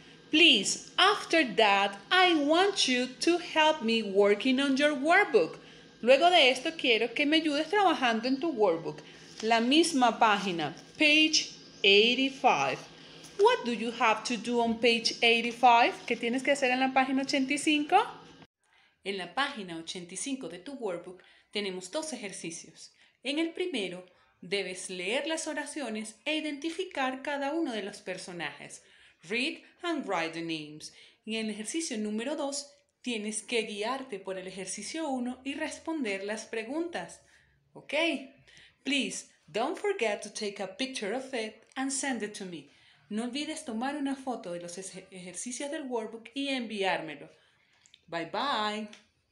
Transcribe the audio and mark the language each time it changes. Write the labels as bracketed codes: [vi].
[en] Please, after that, I want you to help me working on your workbook. [es] Luego de esto, quiero que me ayudes trabajando en tu workbook. La misma página, page 85. [en] What do you have to do on page 85? [es] ¿Qué tienes que hacer en la página 85? En la página 85 de tu workbook, tenemos dos ejercicios. En el primero, debes leer las oraciones e identificar cada uno de los personajes. [en] Read and write the names. [es] En el ejercicio número 2, tienes que guiarte por el ejercicio 1 y responder las preguntas. ¿Ok? [en] Please, don't forget to take a picture of it and send it to me. [es] No olvides tomar una foto de los ejercicios del workbook y enviármelo. [en] Bye bye.